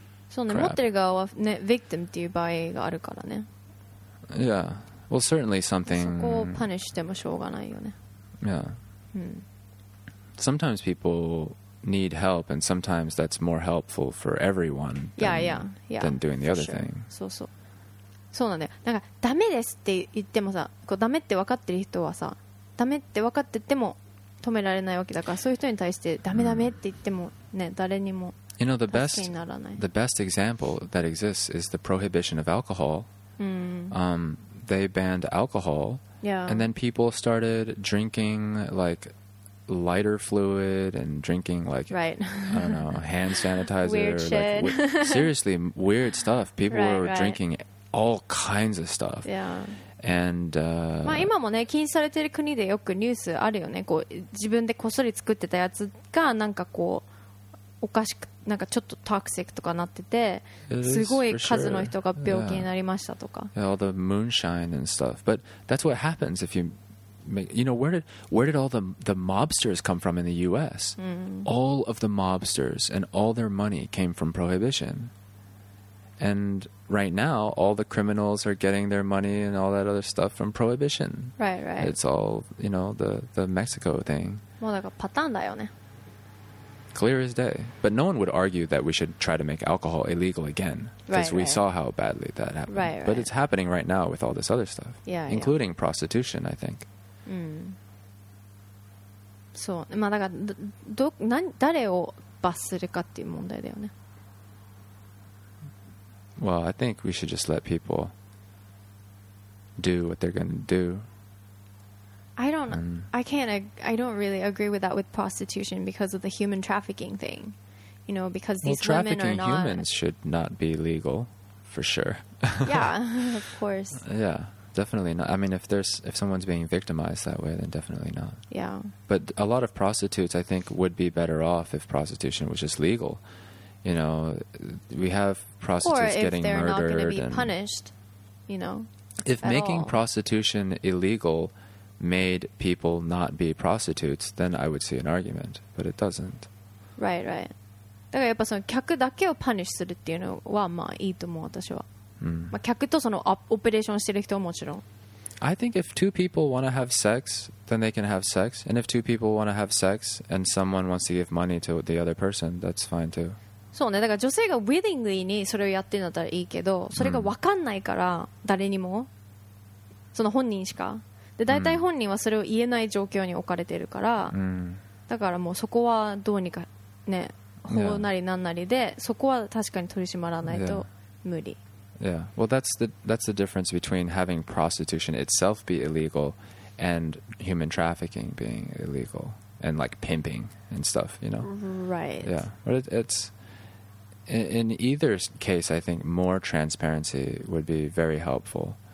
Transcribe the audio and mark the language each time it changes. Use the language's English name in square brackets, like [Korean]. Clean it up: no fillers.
[Japanese] そうね。持ってる側はね、victim っていう場合があるからね。 [English] Yeah. Well, certainly something... [Japanese] そこを punish してもしょうがないよね。 [English] Yeah. Sometimes people need help, and sometimes that's more helpful for everyone than doing the other thing. [Japanese] そうそう。そうなんだよ。なんかダメですって言ってもさ、こうダメって分かってる人はさ、ダメって分かってても止められないわけだから、そういう人に対してダメダメって言ってもね、誰にも助けにならない。 [English] You know, the best example that exists is the prohibition of alcohol. They banned alcohol, and then people started drinking like lighter fluid and drinking like I don't know, hand sanitizer. Weird shit. Like, seriously, weird stuff. People were drinking. All kinds of stuff. Yeah. And, [Japanese] まあ今もね禁止されてる国でよくニュースあるよね。こう自分でこっそり作ってたやつがなんかこうおかしくなんかちょっとトクシックとかなってて、すごい数の人が病気になりましたとか。 [English] Yeah, all the moonshine and stuff. But that's what happens if you make. You know where did all the mobsters come from in the U.S.? All of the mobsters and all their money came from prohibition. And right now, all the criminals are getting their money and all that other stuff from prohibition. Right, right. It's all, you know, the Mexico thing. [Japanese] もうなんかパターンだよね。 [English] Clear as day. But no one would argue that we should try to make alcohol illegal again. Because we saw how badly that happened. Right, right. But it's happening right now with all this other stuff. Yeah, including prostitution, I think. [Japanese] そう。まあだから、誰を罰するかっていう問題だよね。 [English] Well, I think we should just let people do what they're going to do. I don't really agree with that with prostitution because of the human trafficking thing. You know, because these women are not... Well, trafficking humans should not be legal, for sure. Yeah, of course. Yeah, definitely not. I mean, if someone's being victimized that way, then definitely not. Yeah. But a lot of prostitutes, I think, would be better off if prostitution was just legal. You know, we have prostitutes getting murdered. Or if they're not going to be punished, you know, If making all. Prostitution illegal made people not be prostitutes, then I would see an argument. But it doesn't. Right, right. [Japanese] だからやっぱその客だけを punish するっていうのはまあいいと思う私は。まあ客とそのオペレーションしてる人ももちろん。 [English] I think if two people want to have sex, then they can have sex. And if two people want to have sex and someone wants to give money to the other person, that's fine too. [Japanese] そうね、だから女性が willingly にそれをやってるんだったらいいけど、それが分かんないから誰にも、その本人しか、で大体本人はそれを言えない状況に置かれてるから、だからもうそこはどうにかね、法なりなんなりで、そこは確かに取り締まらないと無理。 [English] Yeah, well that's the difference between having prostitution itself be illegal and human trafficking being illegal and like pimping and stuff, you know? Right. Yeah, but it's In either case, I think more transparency would be very helpful.